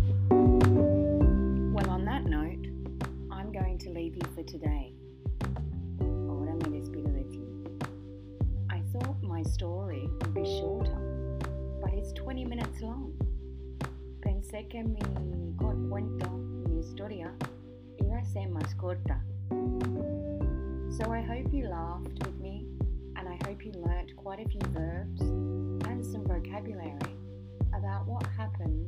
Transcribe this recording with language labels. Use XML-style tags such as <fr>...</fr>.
<en>Well, on that note, I'm going to leave you for today.</en> <es>Ahora me despido de ti.</es> <en>I thought my story would be shorter, but it's 20 minutes long.</en> <es>Pensé que mi cuento, mi historia, iba a ser más corta.</es> <en>So I hope you laughed with me, and I hope you learnt quite a few verbs and some vocabulary about what happened.</en>